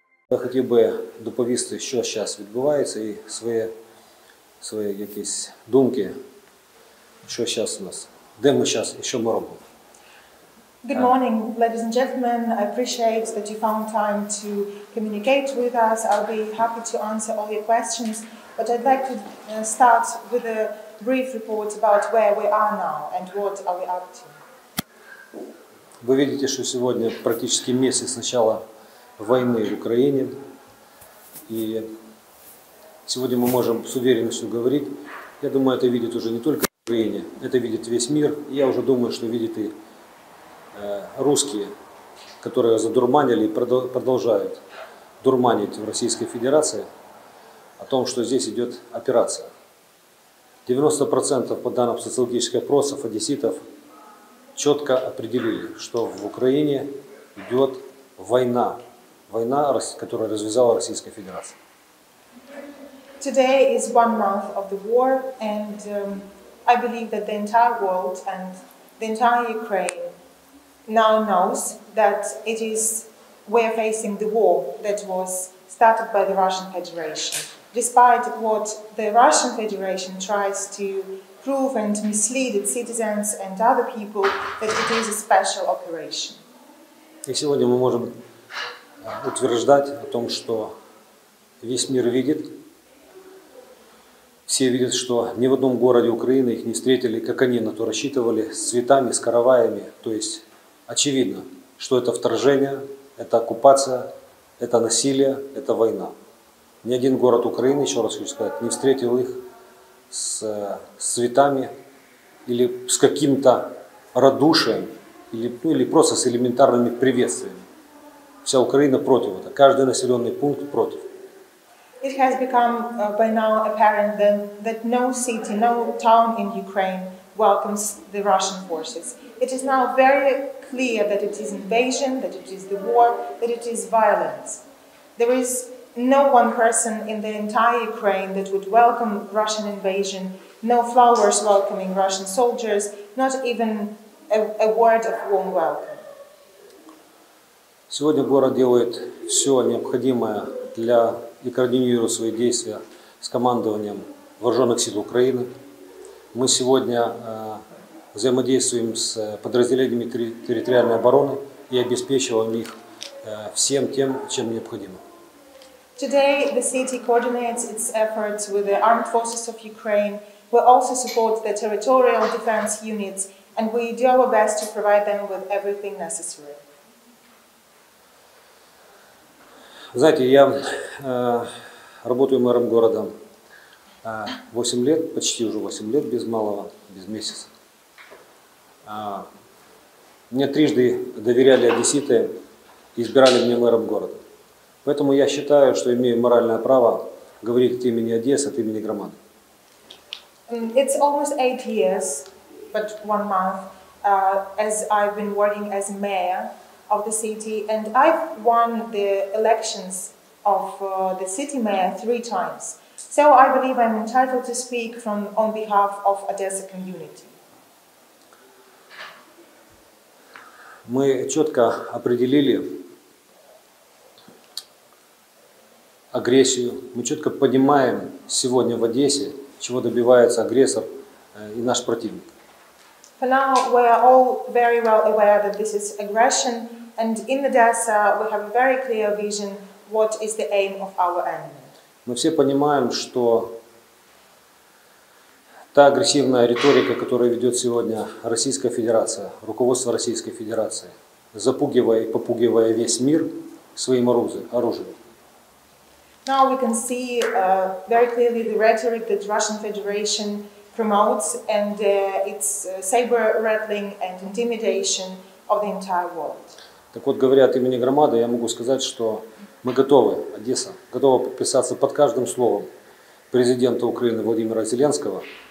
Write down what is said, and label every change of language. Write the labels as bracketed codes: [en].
[uk] Я хотів би доповісти, що зараз відбувається, і свої якісь думки, що зараз у нас, де ми зараз і що ми робимо. [en] Good morning, ladies and gentlemen. I appreciate that you found time to communicate with us. I'll be happy to answer all your questions, but I'd like to start with a brief report about where we are now and what are we up to. [uk] Ви бачите, що сьогодні практично місяць спочатку війни в Україні. І сьогодні ми можемо з впевненістю говорити. Я думаю, це бачить уже не тільки в Україні, це бачить весь світ. Я вже думаю, що бачить і [ru] русские, которые задурманили и продолжают дурманить в Российской Федерации о том, что здесь идет операция. 90% по данным социологических опросов одесситов четко определили, что в Украине идет война. Война, которую развязала Российская Федерация. [en] Today is one month of the war, and I believe that the entire world and the entire Ukraine now knows that it is we are facing the war that was started by the Russian Federation. Despite what the Russian Federation tries to prove and mislead its citizens and other people, that it is a special operation. [ru] И сегодня мы можем утверждать о том, что весь мир видит, все видят, что ни в одном городе Украины их не встретили, как они на то рассчитывали, с цветами, с караваями, то есть очевидно, что это вторжение, это оккупация, это насилие, это война. Ни один город Украины, еще раз хочу сказать, не встретил их с цветами или с каким-то радушием, или просто с элементарными приветствиями. Вся Украина против этого, каждый населенный пункт против. [en] It has become by now apparent that no city, no town in Ukraine welcomes the Russian forces. It is now very clear that it is invasion, that it is the war, that it is violence. There is no one person in the entire Ukraine that would welcome Russian invasion, no flowers welcoming Russian soldiers, not even a word of warm welcome. [ru] Сегодня город делает все необходимое для и координирует свои действия с командованием вооруженных сил Украины. Мы сегодня взаимодействуем с подразделениями территориальной обороны и обеспечиваем их всем тем, чем необходимо. [en] Today the city coordinates its efforts with the armed forces of Ukraine. We also support the territorial defense units, and we do our best to provide them with everything necessary. [ru] Знаете, я работаю мэром города 8 лет, почти уже 8 лет, без малого, без месяца. Мне трижды доверяли одесситы и избирали меня мэром города. Поэтому я считаю, что имею моральное право говорить от имени Одессы, от имени громады. [en] It's almost 8 years, but one month, as I've been working as mayor of the city, and I've won the elections of the city mayor 3 times. So I believe I'm entitled to speak on behalf of Odessa community. [ru] Мы четко определили агрессию. Мы четко понимаем сегодня в Одессе, чего добивается агрессор и наш противник. [en] For now, we are all very well aware that this is aggression, and in Odessa we have a very clear vision what is the aim of our enemy. [ru] Мы все понимаем, что та агрессивная риторика, которая ведет сегодня Российская Федерация, руководство Российской Федерации, запугивая и попугивая весь мир своим оружием. [en] Now we can see very clearly the rhetoric that Russian Federation promotes and its saber rattling and intimidation of the entire world. [ru] Так вот, говоря от имени громады, я могу сказать, что мы готовы, Одесса, готова подписаться под каждым словом президента Украины Владимира Зеленского.